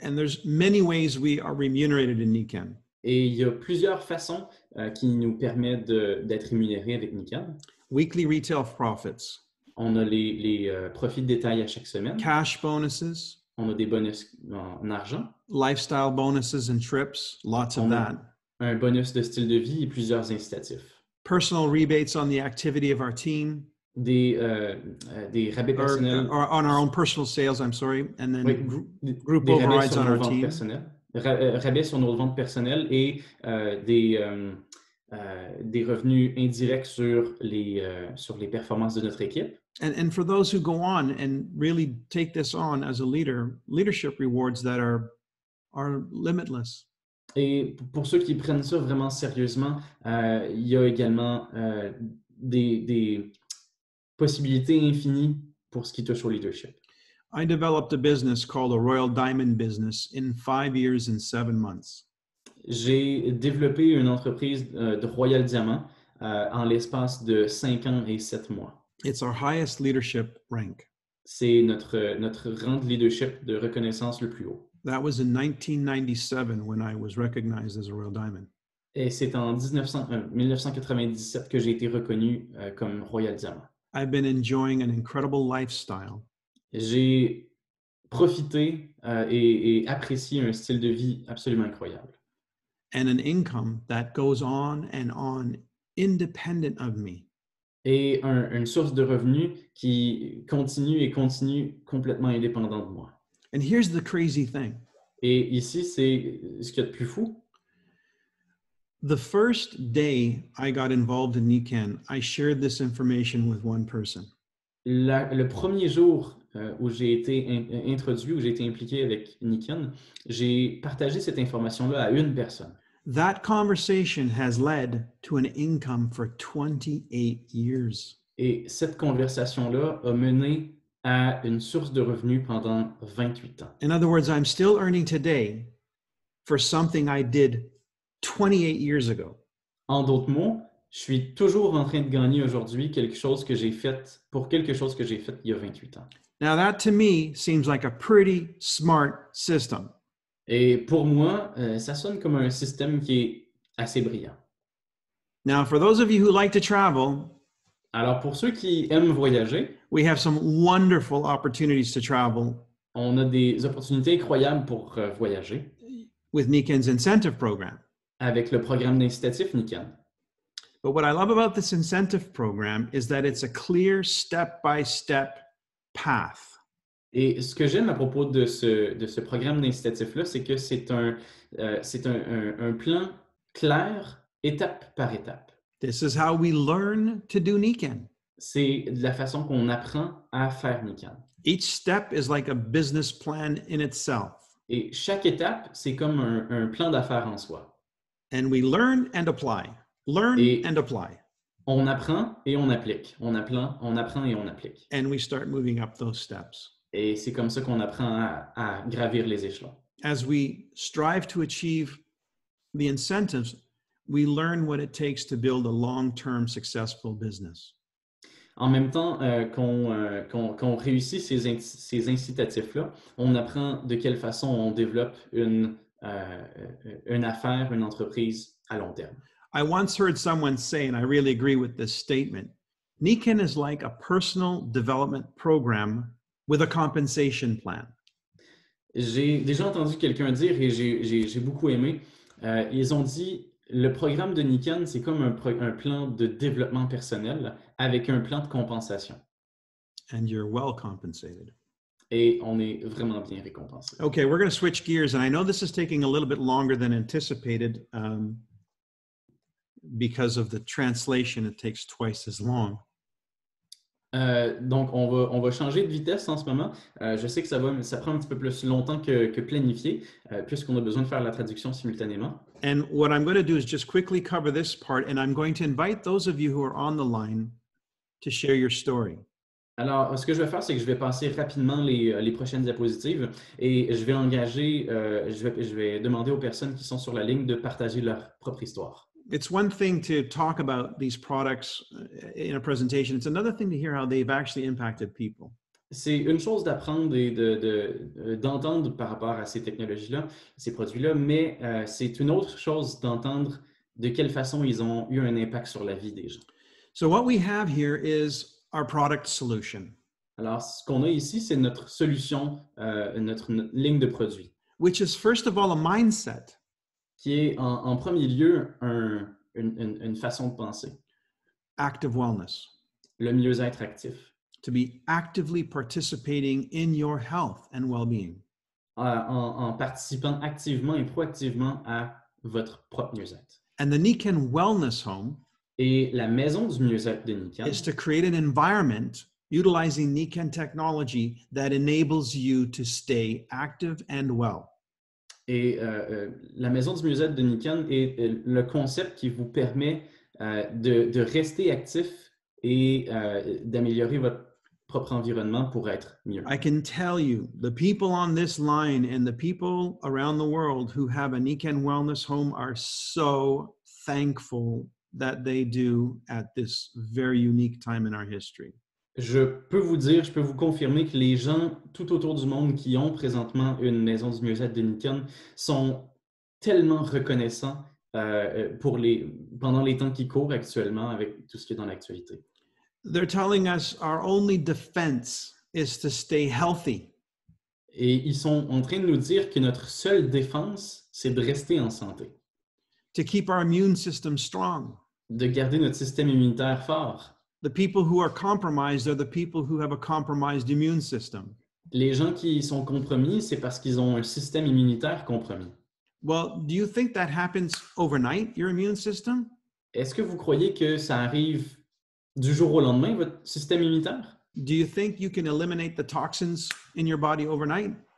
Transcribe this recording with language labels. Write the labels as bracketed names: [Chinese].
[English] And there's many ways we are remunerated in Niken. [French] Et il y a plusieurs façons qui nous permettent d'être rémunérés avec Niken. [English] Weekly retail profits. [French] On a les profits de détail à chaque semaine. [English] Cash bonuses. [French] On a des bonus en argent. [English] Lifestyle bonuses and trips. Lots of that. [French] Un bonus de style de vie et plusieurs incitatifs. [English] Personal rebates on the activity of our team. [French] Des rabais personnels. [English] Or on our own personal sales, I'm sorry. And then oui, group [French] des [English] overrides [French] rabais sur on nos [English] our team. [French] Personnel. Rabais sur nos ventes personnelles et des revenus indirects sur les performances de notre équipe. [English] And for those who go on and really take this on as a leader, leadership rewards that are limitless. [French] Et pour ceux qui prennent ça vraiment sérieusement, il y a également des possibilités infinies pour ce qui touche au leadership. [English] I developed a business called a Royal Diamond Business in 5 years and 7 months. [French] J'ai développé une entreprise de Royal Diamant en l'espace de 5 ans et 7 mois. [English] It's our highest leadership rank. [French] C'est notre rang de leadership de reconnaissance le plus haut. [English] That was in 1997 when I was recognized as a Royal Diamond. [French] Et c'est en 1997 que j'ai été reconnu comme Royal Diamant. [English] I've been enjoying an incredible lifestyle. [French] J'ai profité et apprécié un style de vie absolument incroyable. [English] And an income that goes on and on independent of me. [French] Et une source de revenus qui continue et continue complètement indépendant de moi. [English] And here's the crazy thing. [French] Et ici, c'est ce qu'il y a de plus fou. [English] The first day I got involved in Niken, I shared this information with one person. [French] Le premier jour où j'ai été introduit, où j'ai été impliqué avec Niken, j'ai partagé cette information-là à une personne. [English] That conversation has led to an income for 28 years. [French] Et cette conversation-là a mené à une source de revenus pendant 28 ans. [English] In other words, I'm still earning today for something I did 28 years ago. [French] En d'autres mots, je suis toujours en train de gagner aujourd'hui quelque chose que j'ai fait il y a 28 ans. [English] Now that to me seems like a pretty smart system. [French] Et pour moi, ça sonne comme un système qui est assez brillant. [English] Now for those of you who like to travel, [French] alors pour ceux qui aiment voyager, [English] we have some wonderful opportunities to travel. [French] On a des opportunités incroyables pour voyager. [English] With Niken's incentive program. [French] Avec le programme d'incitatif Niken. [English] But what I love about this incentive program is that it's a clear step-by-step path. [French] Et ce que j'aime à propos de ce programme d'incitatif-là, c'est que c'est un plan clair, étape par étape. [English] This is how we learn to do Niken. [French] C'est la façon qu'on apprend à faire Niken. [English] Each step is like a business plan in itself. [French] Et chaque étape, c'est comme un plan d'affaires en soi. [English] And we learn and apply. Learn and apply. [French] On apprend et on applique. On apprend et on applique. [English] And we start moving up those steps. [French] Et c'est comme ça qu'on apprend à gravir les échelons. [English] As we strive to achieve the incentives, we learn what it takes to build a long-term successful business. [French] En même temps qu'on réussit ces incitatifs-là, on apprend de quelle façon on développe une affaire, une entreprise à long terme. [English] I once heard someone say, and I really agree with this statement, Niken is like a personal development program with a compensation plan. [French] J'ai déjà entendu quelqu'un dire, et j'ai beaucoup aimé, ils ont dit, le programme de Niken, c'est comme un plan de développement personnel avec un plan de compensation. [English] and you're well compensated. [French] Et on est vraiment bien récompensé. [English] Okay, we're going to switch gears, and I know this is taking a little bit longer than anticipated because of the translation. It takes twice as long. [French] Donc, on va changer de vitesse en ce moment. Je sais que ça prend un petit peu plus longtemps que planifié, puisqu'on a besoin de faire la traduction simultanément. [English] And what I'm going to do is just quickly cover this part, and I'm going to invite those of you who are on the line to share your story. [French] Alors, ce que je vais faire, c'est que je vais passer rapidement les prochaines diapositives et je vais demander aux personnes qui sont sur la ligne de partager leur propre histoire. [English] It's one thing to talk about these products in a presentation. It's another thing to hear how they've actually impacted people. [French] C'est une chose d'apprendre et d'entendre par rapport à ces technologies-là, ces produits-là, mais c'est une autre chose d'entendre de quelle façon ils ont eu un impact sur la vie des gens. [English] So what we have here is our product solution. [French] Alors, ce qu'on a ici, c'est notre solution, notre ligne de produits. [English] Which is first of all a mindset. [French] Qui est en premier lieu une façon de penser. [English] Active wellness. [French] Le mieux-être actif. [English] To be actively participating in your health and well-being. [French] En participant activement et proactivement à votre propre mieux-être. [English] And the Niken Wellness Home. [French] Et la maison du mieux-être de Niken. [English] Is to create an environment utilizing Niken technology that enables you to stay active and well. [French] Et la maison du mieux-être de Niken est le concept qui vous permet de rester actif et d'améliorer votre propre environnement pour être mieux. [English] I can tell you, the people on this line and the people around the world who have a Niken wellness home are so thankful that they do at this very unique time in our history. [French] Je peux vous dire, je peux vous confirmer que les gens tout autour du monde qui ont présentement une maison du mieux-être de Niken sont tellement reconnaissants pendant les temps qui courent actuellement avec tout ce qui est dans l'actualité. [English] They're telling us our only defense is to stay healthy. [French] Et ils sont en train de nous dire que notre seule défense, c'est de rester en santé. [English] To keep our immune system strong. [French] De garder notre système immunitaire fort. [English] The people who are compromised are the people who have a compromised immune system. [French] Les gens qui sont compromis, c'est parce qu'ils ont un système immunitaire compromis. [English] Well, do you think that happens overnight, your immune system? [French] Est-ce que vous croyez que ça arrive du jour au lendemain, votre système immunitaire? [English] Do you think you can eliminate the toxins in your body overnight?